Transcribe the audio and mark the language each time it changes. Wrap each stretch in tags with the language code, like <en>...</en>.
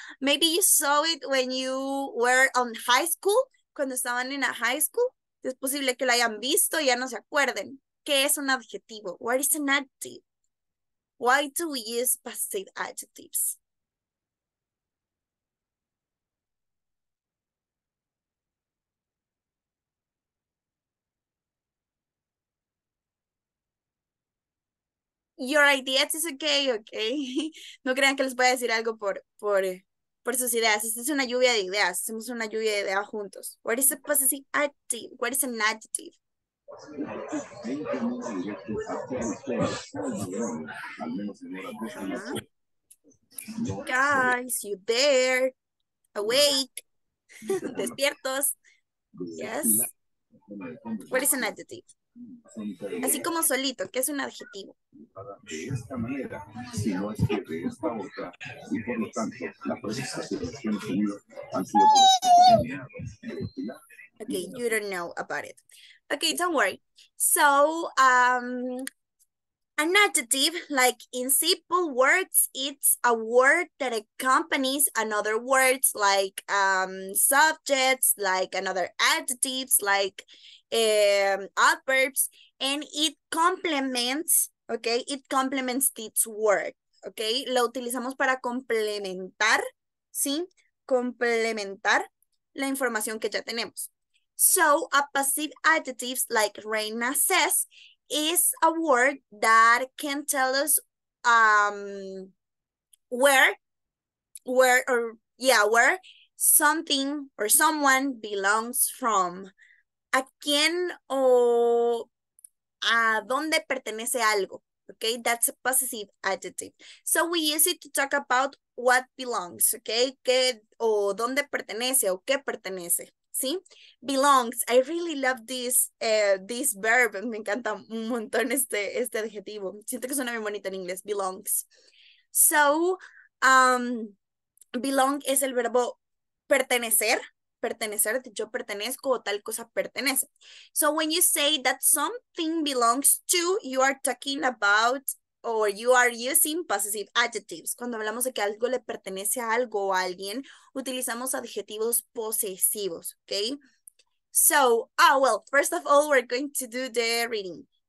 <en>Maybe you saw it when you were on high school,</en> <es>cuando estaban en a high school. Es posible que lo hayan visto y ya no se acuerden. ¿Qué es un adjetivo?</es> <en>What is an adjective? Why do we use passive adjectives? Your ideas is okay, okay.</en> <es>No crean que les voy a decir algo por sus ideas. Esta es una lluvia de ideas. Hacemos una lluvia de ideas juntos.</es> <en>What is a possessive adjective? What is an adjective? Guys, you there? Awake. Despiertos. Yes. What is an adjective?</en> <es>Así como solito, ¿qué es un adjetivo? De esta manera, si no es que de esta otra, y por lo tanto, la presencia de los que han tenido han sido</es> <en>enseñados. Okay, you don't know about it. Okay, don't worry. So, an adjective, like in simple words, it's a word that accompanies another word, like subjects, like another adjectives, like adverbs, and it complements, okay? It complements its word, okay?</en> <es>Lo utilizamos para complementar, ¿sí? Complementar la información que ya tenemos.</es> <en>So, a passive adjectives, like Reina says, is a word that can tell us where something or someone belongs from.</en> <es>A quién o a dónde pertenece algo.</es> <en>Okay, that's a possessive adjective. So we use it to talk about what belongs.</en> <es>Okay, qué o dónde pertenece o qué pertenece.</es> <en>¿Sí? Belongs. I really love this this verb.</en> <es>Me encanta un montón este adjetivo. Siento que suena bien bonito en inglés. Belongs. So, belong es el verbo pertenecer. Pertenecer, yo pertenezco o tal cosa pertenece.</es> <en>So, when you say that something belongs to, you are talking about or you are using possessive adjectives.</en> <es>Cuando hablamos de que algo le pertenece a algo o a alguien, utilizamos adjetivos posesivos, okay?</es> <en>So, first of all, we're going to do the reading.</en>